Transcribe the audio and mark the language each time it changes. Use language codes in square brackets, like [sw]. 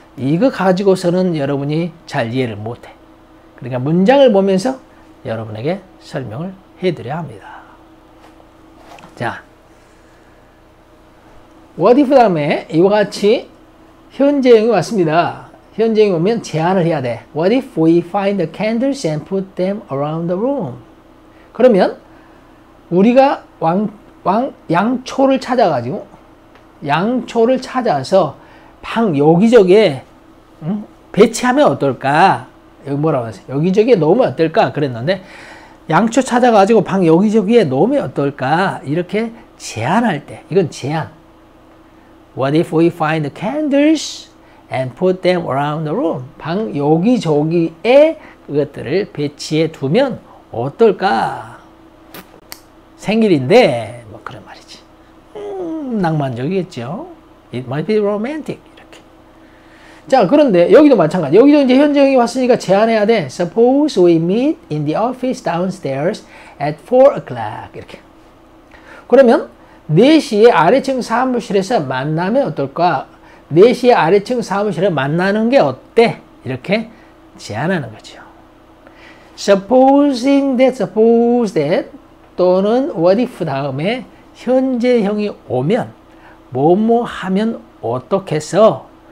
[ko] 이거 가지고서는 여러분이 잘 이해를 못해. 그러니까 문장을 보면서 여러분에게 설명을 해드려야 합니다. 자, What if 다음에 이와 같이 현재형이 왔습니다. 현재형이 오면 제안을 해야 돼. [en] What if we find the candles and put them around the room? [ko] 그러면 우리가 양초를 찾아가지고 양초를 찾아서 방 여기저기에 배치하면 어떨까? 여기 뭐라고 하세요? 여기저기에 놓으면 어떨까? 그랬는데 양초 찾아가지고 방 여기저기에 놓으면 어떨까? 이렇게 제안할 때 이건 제안. [en] What if we find the candles and put them around the room? [ko] 방 여기저기에 그것들을 배치해 두면 어떨까? 생일인데 뭐 그런 말이지. 낭만적이겠죠. [en] It might be romantic. [ko] 이렇게. 자, 그런데 여기도 마찬가지. 여기도 이제 현정이 왔으니까 제안해야 돼. [en] Suppose we meet in the office downstairs at 4 o'clock. [ko] 이렇게. 그러면 4시에 아래층 사무실에서 만나면 어떨까? 4시에 아래층 사무실에 만나는 게 어때? 이렇게 제안하는 거죠. Supposing that, suppose that, 또는 what if 다음에 현재형이 오면 뭐뭐 하면 어떻겠어?